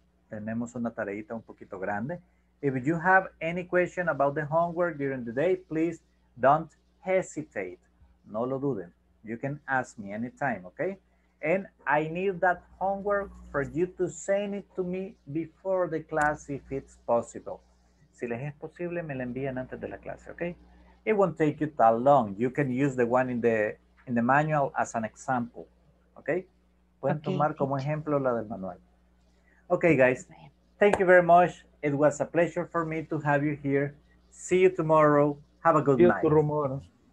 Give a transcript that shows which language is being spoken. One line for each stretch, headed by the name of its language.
Spanish: Tenemos una tareita un poquito grande.
English: If you have any question about the homework during the day, please don't hesitate.
Spanish: No lo duden.
English: You can ask me anytime, okay? And I need that homework for you to send it to me before the class if it's possible.
Spanish: Si les es posible, me la envían antes de la clase, okay?
English: It won't take you that long. You can use the one in the manual as an example, okay?
Spanish: Pueden tomar como ejemplo la del manual.
English: Okay, guys, thank you very much. It was a pleasure for me to have you here. See you tomorrow. Have a good night. See you tomorrow.